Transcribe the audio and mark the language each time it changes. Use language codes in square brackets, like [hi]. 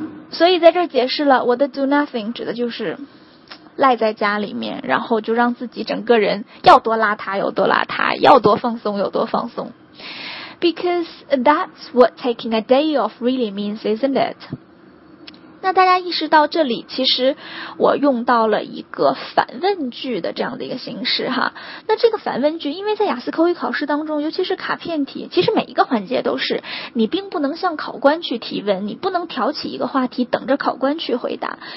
[zh] 所以在这儿解释了我的 do nothing 指的就是赖在家里面，然后就让自己整个人要多邋遢有多邋遢，要多放松有多放松。 [en] Because that's what taking a day off really means, isn't it? [zh] 那大家意识到这里，其实我用到了一个反问句的这样的一个形式哈。那这个反问句，因为在雅思口语考试当中，尤其是卡片题，其实每一个环节都是，你并不能向考官去提问，你不能挑起一个话题等着考官去回答。